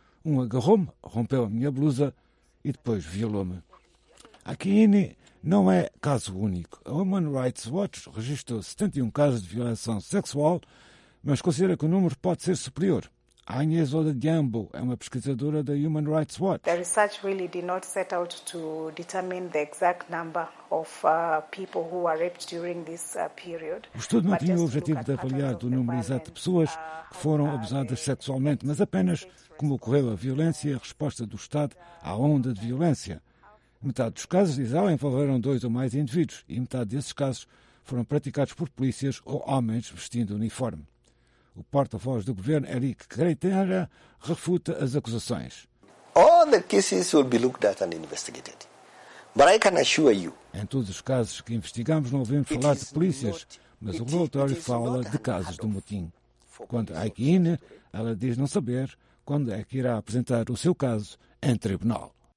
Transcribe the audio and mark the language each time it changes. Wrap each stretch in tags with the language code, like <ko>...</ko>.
<pt>Um agarrou-me, rompeu a minha blusa e depois violou-me. A Kini não é caso único. A Human Rights Watch registrou 71 casos de violação sexual, mas considera que o número pode ser superior. Agnes Odhiambo é uma pesquisadora da Human Rights Watch.</pt> <en>The research really did not set out to determine the exact number of people who were raped during this period.</en> <pt>O estudo não tinha o objetivo de avaliar o número exato de pessoas que foram abusadas sexualmente, mas apenas como ocorreu a violência e a resposta do Estado à onda de violência. Metade dos casos, diz ela, envolveram dois ou mais indivíduos e metade desses casos foram praticados por polícias ou homens vestindo uniforme. O porta-voz do governo, Eric Kreitera, refuta as acusações.</pt> <en>All the cases will be looked at and investigated. But I can assure you,</en> <pt>em todos os casos que investigamos não ouvimos falar de polícias, mas o relatório fala de casos do motim. Quanto à Aikine, ela diz não saber quando é que irá apresentar o seu caso em tribunal.</pt>